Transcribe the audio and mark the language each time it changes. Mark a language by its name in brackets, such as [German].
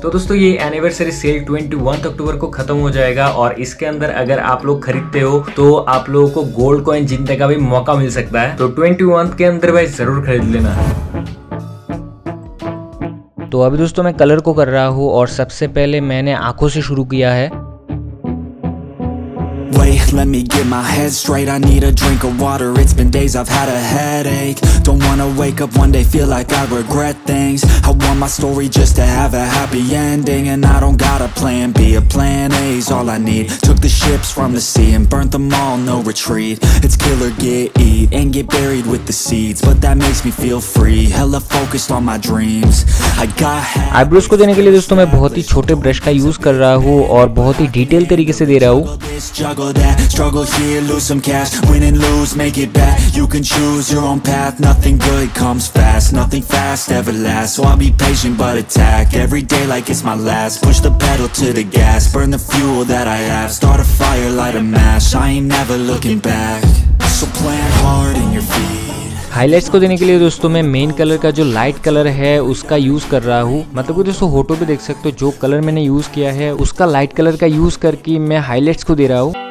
[Hindi] तो दोस्तों ये एनिवर्सरी सेल 21 अक्टूबर को खत्म हो जाएगा, और इसके अंदर अगर आप लोग खरीदते हो तो आप लोगों को गोल्ड कॉइन जीतने का भी मौका मिल सकता है। तो 21 के अंदर भाई जरूर खरीद लेना। तो अभी दोस्तों मैं कलर को कर रहा हूँ, और सबसे पहले मैंने आंखों से शुरू किया है। [English] Let me get my head straight, I need a drink of water. It's been days I've had a headache. Don't wanna wake up one day, feel like I regret things. I want my story just to have a happy ending. And I don't got a plan B, a plan A's all I need. Took the ships from the sea and burnt them all, no retreat. It's kill or get eat and get buried with the seeds. But that makes me feel free, hella focused on my dreams. I got happy. [Hindi] Eyebrows को देने के लिए दोस्तों मैं बहुत ही छोटे brush का use कर रहा हूँ, और बहुत ही डिटेल तरीके से दे रहा हूँ। [English] struggle here, lose some cash, win and lose, make it back. You can choose your own path, nothing good comes fast, nothing fast ever lasts. So I'll be patient but attack, every day like it's my last. Push the pedal to the gas, burn the fuel that I have. Start a fire, light a match, I ain't never looking back. So plant hard in your feet. [Hindi] Highlights को देने के लिए दोस्तों मैं main colour का जो light colour है उसका यूज कर रहा हूँ। मतलब कि दोस्तों फोटो पे देख सकते हो जो कलर मैंने यूज किया है उसका लाइट कलर का यूज करके मैं हाइलाइट्स को दे रहा